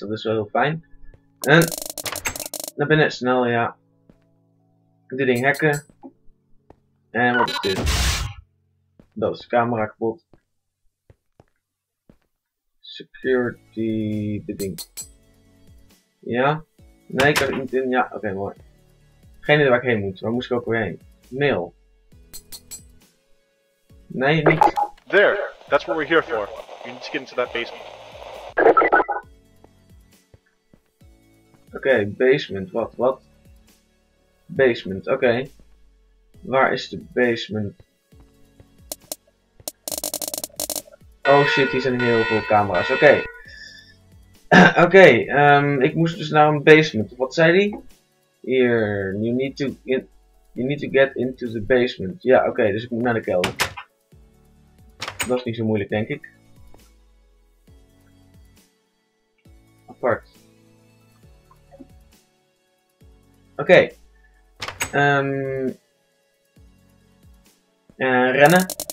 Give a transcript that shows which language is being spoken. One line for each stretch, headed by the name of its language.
Dutch: Dat is wel heel fijn. En naar binnen. Snel, ja. Dit ding hacken. En wat is dit? Dat is de camera kapot. Security. Dit ding. Ja. Nee, ik heb het niet in. Ja, oké, okay, mooi. Geen idee waar ik heen moet. Waar moest ik ook weer heen? Mail. Nee, niet.
English: There, that's what we're here for. You need to get into that basement.
Dutch: Oké, basement. Wat? Basement, oké. Okay. Waar is de basement? Oh shit, hier zijn heel veel camera's. Oké. Okay. Okay, ik moest dus naar een basement. Wat zei die?
English: Hier, you need to get into the basement.
Dutch: Ja, oké, dus ik moet naar de kelder. Dat is niet zo moeilijk, denk ik. Apart. Oké. En rennen.